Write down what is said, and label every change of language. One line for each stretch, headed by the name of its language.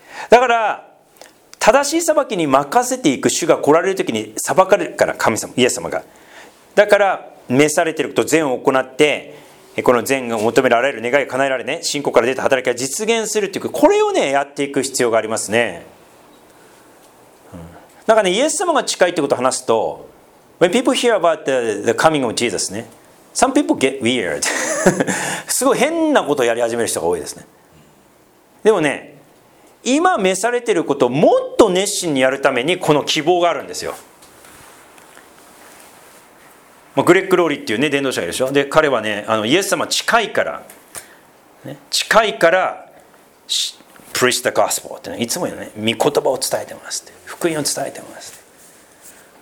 Japanese: だから正しい裁きに任せていく、主が来られるときに裁かれるから、神様、イエス様が、だから召されていること、善を行って、この善を求められる願いが叶えられね、信仰から出た働きが実現するという、これをねやっていく必要がありますね。なんかね、イエス様が近いということを話すと、
English: When people hear about the coming of Jesus ね、Some people get weird.
Japanese: すごい変なことをやり始める人が多いですね。でもね、今召されていることをもっと熱心にやるためにこの希望があるんですよ。まあ、グレッグ・ローリーっていうね、伝道者がいるでしょ。で、彼はね、イエス様近いから、ね、近いから、
English: Preach the gospel
Japanese: って、ね、いつも言うね、御言葉を伝えてますって、福音を伝えてますって。